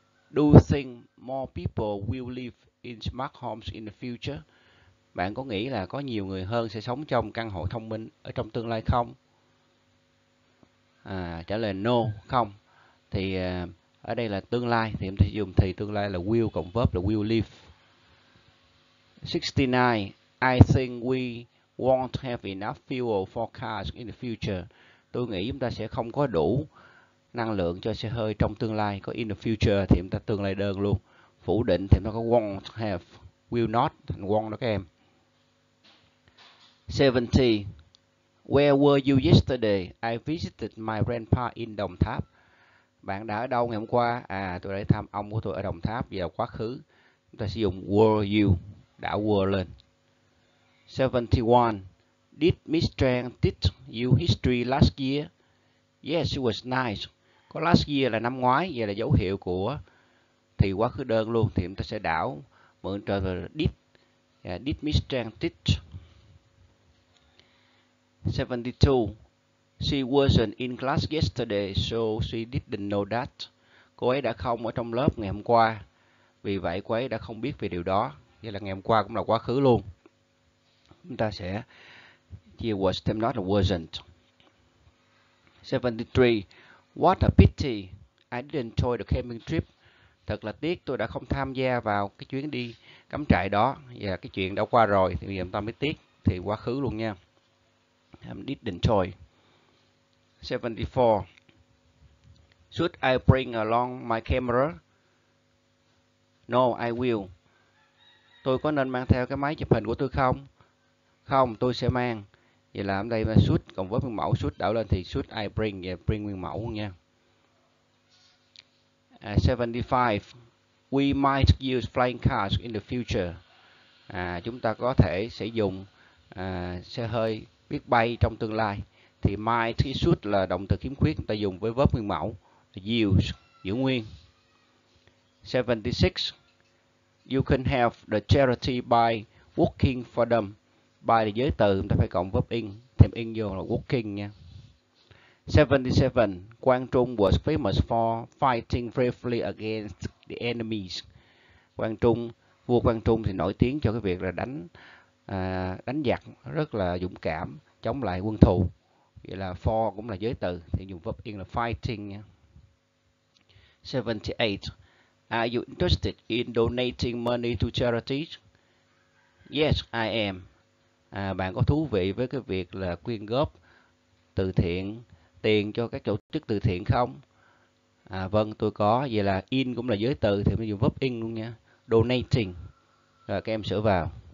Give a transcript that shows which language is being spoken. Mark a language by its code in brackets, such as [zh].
[en] Do think more people will live in smart homes in the future? [vi] Bạn có nghĩ là có nhiều người hơn sẽ sống trong căn hộ thông minh ở trong tương lai không? Trả lời no, không. Thì ở đây là tương lai, thì em sẽ dùng thì tương lai là will cộng verb là will live. [en] 69, I think we won't have enough fuel for cars in the future. [vi] Tôi nghĩ chúng ta sẽ không có đủ năng lượng cho xe hơi trong tương lai. Có in the future thì chúng ta tương lai đơn luôn. Phủ định thì nó có won't have, will not thành won đó các em. [en] 70, where were you yesterday? I visited my grandpa in Đồng Tháp. [vi] Bạn đã ở đâu ngày hôm qua? À, tôi đã thăm ông của tôi ở Đồng Tháp. Vì là quá khứ, chúng ta sử dụng were you, đã were lên. [en] 71, did Miss Trang teach you history last year? Yes, it was nice. [vi] Có last year là năm ngoái, vậy là dấu hiệu của thì quá khứ đơn luôn. Thì chúng ta sẽ đảo, mượn trời là did. [en] Yeah, did Miss Trang teach? 72, she wasn't in class yesterday, so she didn't know that. [vi] Cô ấy đã không ở trong lớp ngày hôm qua, vì vậy cô ấy đã không biết về điều đó. Vậy là ngày hôm qua cũng là quá khứ luôn. Chúng ta sẽ chia was thêm not là wasn't. [en] 73, what a pity, I didn't enjoy the camping trip. [vi] Thật là tiếc, tôi đã không tham gia vào cái chuyến đi cắm trại đó. Và cái chuyện đã qua rồi, thì bây giờ chúng ta mới tiếc. Thì quá khứ luôn nha. [en] I didn't enjoy. 74, should I bring along my camera? No, I will. [vi] Tôi có nên mang theo cái máy chụp hình của tôi không? Không, tôi sẽ mang. Vậy là ở đây là should cộng với nguyên mẫu, should đảo lên thì should I bring, và bring nguyên mẫu nha. [en] 75, we might use flying cars in the future. [vi] À, chúng ta có thể sử dụng xe hơi biết bay trong tương lai. Thì might thì should là động từ khiếm khuyết, chúng ta dùng với verb nguyên mẫu use, giữ nguyên. [en] 76, you can have the charity by working for them. [vi] By là giới từ, chúng ta phải cộng verb in, thêm in vô là working nha. [en] 77, Quang Trung was famous for fighting bravely against the enemies. [vi] Quang Trung, vua Quang Trung thì nổi tiếng cho cái việc là đánh đánh giặc rất là dũng cảm, chống lại quân thù. Vậy là for cũng là giới từ, thì dùng verb in là fighting nha. [en] 78, are you interested in donating money to charities? Yes, I am. [vi] À, bạn có thú vị với cái việc là quyên góp từ thiện tiền cho các tổ chức từ thiện không? À, vâng, tôi có. Vậy là in cũng là giới từ, thì mình dùng verb in luôn nha. Donating. Rồi các em sửa vào.